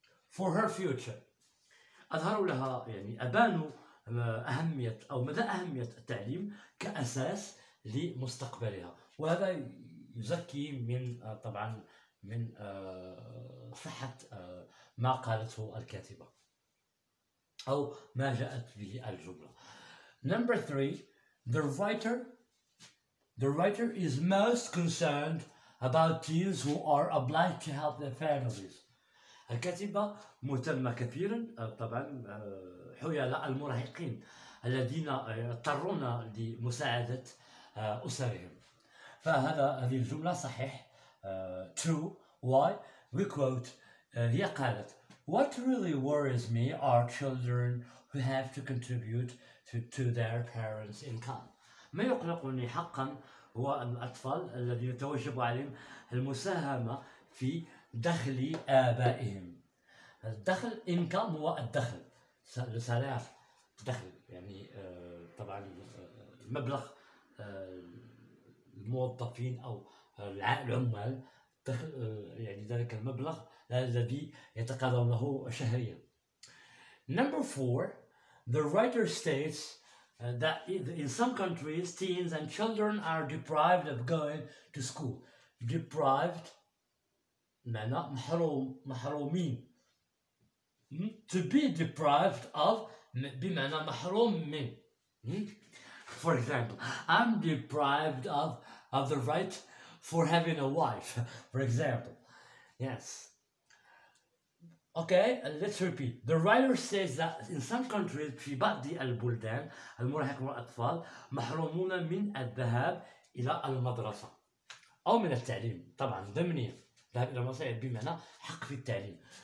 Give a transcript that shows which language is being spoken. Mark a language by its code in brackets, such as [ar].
[en] for her future [ar] أظهروا لها أبانوا أهمية أو مدى أهمية التعليم كأساس لمستقبلها وهذا يزكي من طبعا من صحة ما قالته الكاتبة أو ما جاءت به الجملة. [en] Number three, the writer is most concerned about teens who are obliged to help their families. [ar] الكاتبة مهتمة كثيرا طبعا حيال المراهقين الذين يضطرون لمساعدة أسرهم. فهذه الجملة صحيح [en] true. Why? We quote, [ar] هي قالت, [en] what really worries me are children who have to contribute to their parents' income. [ar] ما يقلقني حقا هو الأطفال الذين توجب عليهم المساهمة في دخل آبائهم. الدخل income هو الدخل. السلاح دخل. طبعا مبلغ الموظفين أو العمال ذلك المبلغ الذي يتقاضى له شهريا. [en] Number four, the writer states that in some countries teens and children are deprived of going to school. [ar] Deprived معنى محرومين. [en] To be deprived of [ar] بمعنى محروم من. [en] For example, I'm deprived of the right for having a wife, for example. Yes. Okay, let's repeat. The writer says that in some countries, [ar] في بعض البلدان, المراهقين والأطفال محرومون من الذهاب إلى المدرسة. أو من التعليم. طبعاً ضمني. ذهاب إلى المدرسة بمعنى حق في التعليم.